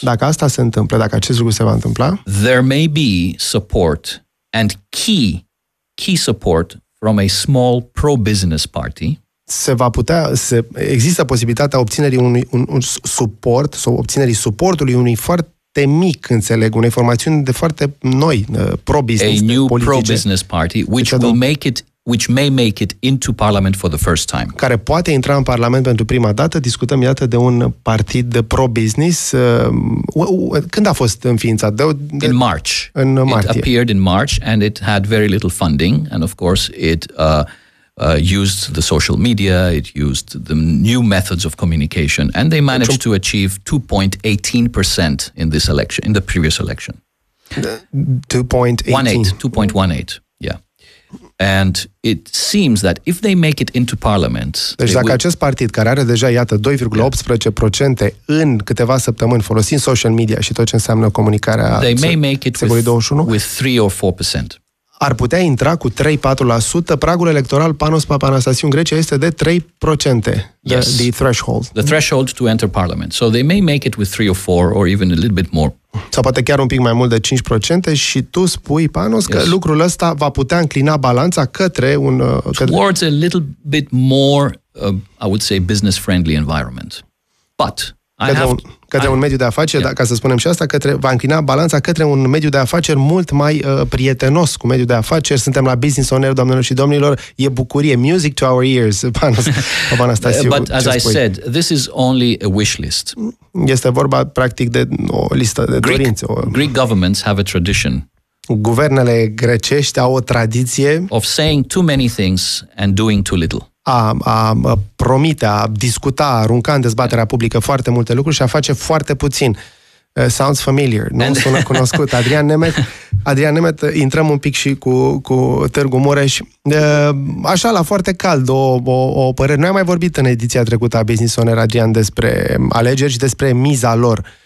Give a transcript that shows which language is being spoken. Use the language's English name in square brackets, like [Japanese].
[Romanian] dacă asta se întâmplă, dacă acest lucru se va întâmpla, [English] there may be support and key support from a small pro-business party. [Romanian] Se va putea, există posibilitatea obținerii un suport sau obținerii suportului unui foarte mic, înțeleg, unei formațiuni de foarte noi pro-business politice. [English] A new pro-business party which will make it, which may make it into parliament for the first time. [Romanian] Care poate intra în parlament pentru prima dată, discutăm iată de un partid de pro-business. Când a fost înființat? [English] In March. [Romanian] În martie. [English] It appeared in March and it had very little funding and of course it used the social media, it used the new methods of communication and they managed to achieve 2.18% in this election, in the previous election. 2.18. Yeah. And it seems that if they make it into parliament... [Romanian] Deci dacă acest partid, care are deja, iată, 2,18% în câteva săptămâni folosind social media și tot ce înseamnă comunicarea... [English] They may make it with 3-4%. [Romanian] Ar putea intra cu 3-4%. Pragul electoral Panos Papanastasiu în Grecia este de 3%. [English] Yes. The threshold. The threshold to enter parliament. So they may make it with 3 or 4 or even a little bit more. [Romanian] Sau poate chiar un pic mai mult de 5% și tu spui, Panos, că lucrul ăsta va putea înclina balanța către un... [English] Towards a little bit more, I would say, business-friendly environment. But... [Romanian] Către un mediu de afaceri, ca să spunem și asta, va înclina balanța către un mediu de afaceri mult mai prietenos cu mediul de afaceri. Suntem la Business On Air, doamnelor și domnilor. E bucurie. [English] Music to our ears, Panastasiu. But as I said, this is only a wish list. [Romanian] Este vorba, practic, de o listă de dorințe. [English] Greek governments have a tradition. [Romanian] Guvernele grecești au o tradiție [English] of saying too many things and doing too little. [Romanian] A promite, a discuta, a arunca în dezbaterea publică foarte multe lucruri și a face foarte puțin. [English] Sounds familiar, [Romanian] nu sună cunoscut. Adrian Nemeth, intrăm un pic și cu Târgu Mureș. Așa, la foarte cald, o părere. Noi am mai vorbit în ediția trecută a Business Owner, Adrian, despre alegeri și despre miza lor.